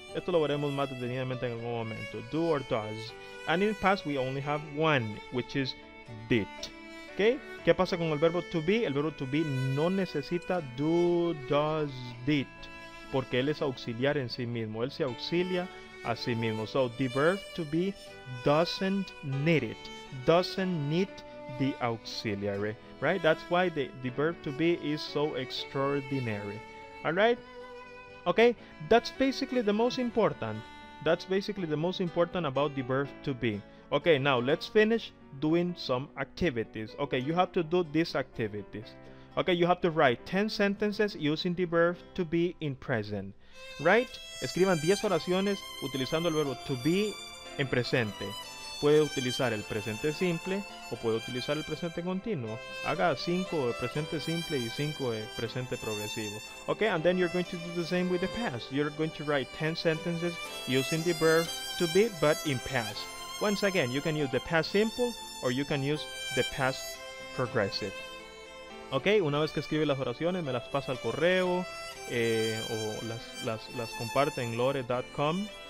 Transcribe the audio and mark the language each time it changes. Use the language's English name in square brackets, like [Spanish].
[Spanish] Esto lo veremos más detenidamente en algún momento. [English] Do or does. And in past we only have one, which is did. [Spanish] Okay. ¿Qué pasa con el verbo to be? El verbo to be no necesita do, does, did, porque él es auxiliar en sí mismo. Él se auxilia a sí mismo. [English] So, the verb to be doesn't need it. Doesn't need the auxiliary. Right? That's why the verb to be is so extraordinary. Alright? Okay? That's basically the most important. That's basically the most important about the verb to be. Okay, now let's finish doing some activities. Okay, you have to do these activities. Okay, you have to write 10 sentences using the verb to be in present. Right? [Spanish] Escriban 10 oraciones utilizando el verbo to be en presente. Puede utilizar el presente simple o puede utilizar el presente continuo. Haga 5 de presente simple y 5 de presente progresivo. [English] Okay, and then you're going to do the same with the past. You're going to write 10 sentences using the verb to be but in past. Once again, you can use the past simple or you can use the past progressive. [Spanish] Okay, una vez que escribe las oraciones, me las pasa al correo o las comparte en lore.com.